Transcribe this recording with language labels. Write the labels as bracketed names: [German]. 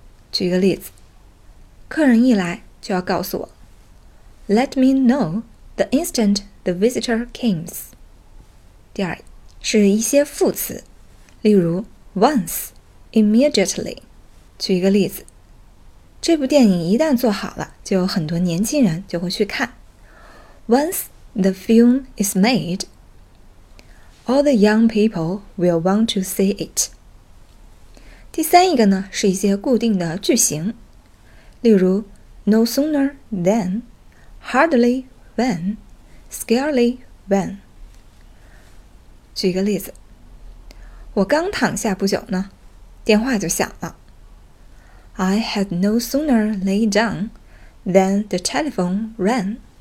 [Chinese] 举一个例子，客人一来就要告诉我 [English] Let me know the instant the visitor came。 [Chinese] 第二是一些副词，例如 once, immediately。举一个例子，这部电影一旦做好了，就有很多年轻人就会去看。 [English] Once the film is made, all the young people will want to see it。 [Chinese] 第三一个呢，是一些固定的句型，例如 no sooner than, hardly when, scarcely when。举一个例子，我刚躺下不久呢，电话就响了。 [English] I had no sooner laid down than the telephone rang。